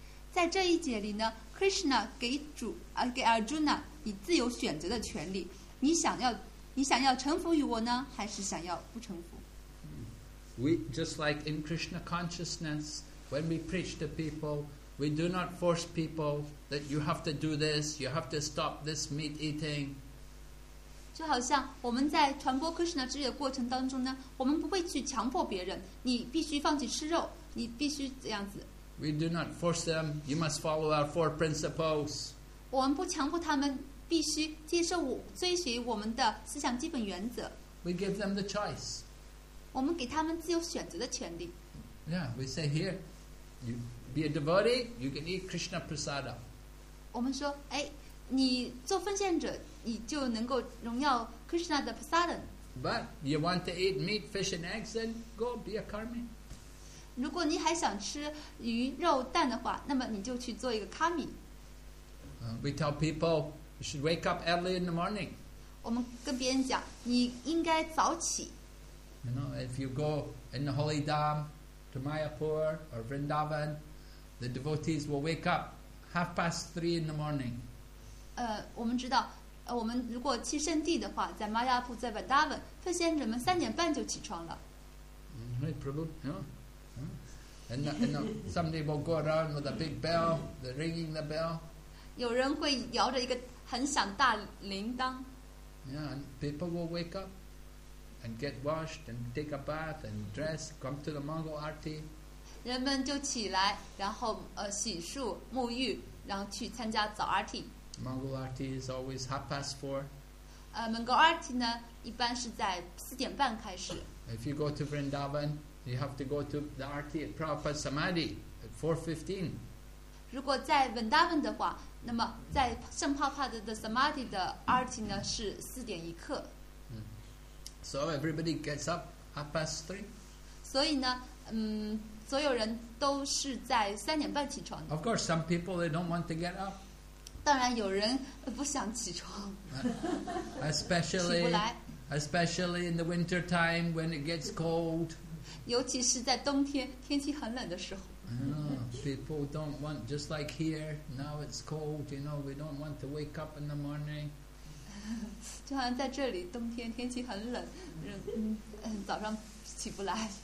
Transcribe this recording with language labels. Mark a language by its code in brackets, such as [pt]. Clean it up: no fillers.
[zh] 在这一节里呢 Krishna 给 Arjuna 你自由选择的权利。你想要臣服于我呢还是想要不臣服。 [en] We, just like in Krishna consciousness, when we preach to people, we do not force people that you have to do this, you have to stop this meat eating. [zh] 就好像我们在传播 Krishna 之意的过程当中呢，我们不会去强迫别人，你必须放弃吃肉，你必须这样子。 [en] We do not force them, you must follow our four principles. [zh] 我们不强迫他们必须接受我追随我们的思想基本原则。 [en] We give them the choice. [zh] 我们给他们自由选择的权利。 [en] Yeah, we say here, you be a devotee, you can eat Krishna prasada. [zh] 我们说，哎，你做奉献者，你就能够荣耀 Krishna 的 prasada. [en] But you want to eat meat, fish, and eggs, then go be a karmi. [zh] 如果你还想吃鱼肉蛋的话，那么你就去做一个 karmi. [en] We tell people you should wake up early in the morning. [zh] 我们跟别人讲，你应该早起。 [en] You know, if you go in the holy dam to Mayapur or Vrindavan, the devotees will wake up 3:30 in the morning. [zh] 我们知道，我们如果去圣地的话，在 Mayapur 在 Vrindavan， 奉献者们3:30就起床了。 [en] Mm-hmm, probably, you know, and you know, somebody will go around with a big bell, the ringing the bell. [zh] 有人会摇着一个很响大铃铛。 [en] Yeah, and people will wake up. And get washed and take a bath and dress. Come to the mangal arti. [zh] 人们就起来，然后洗漱沐浴，然后去参加早 arti. [en] Mangal arti is always 4:30. [zh] Mangal arti 呢，一般是在4:30开始。 [en] If you go to Vrindavan, you have to go to the arti at Prabhupada Samadhi at 4:15. [zh] 如果在 Vrindavan 的话，那么在圣帕帕的 Samadhi 的 arti 呢是4:01。 [en] So everybody gets up 3:30. [zh] 所以呢，所有人都是在3:30起床的。 [en] Of course, some people they don't want to get up. [zh] 当然有人不想起床。 [en] Especially in the winter time when it gets cold. [zh] 尤其是在冬天，天气很冷的时候。 [en] People don't want just like here. Now it's cold. You know, we don't want to wake up in the morning. [zh] 就好像在这里冬天天气很冷早上起不来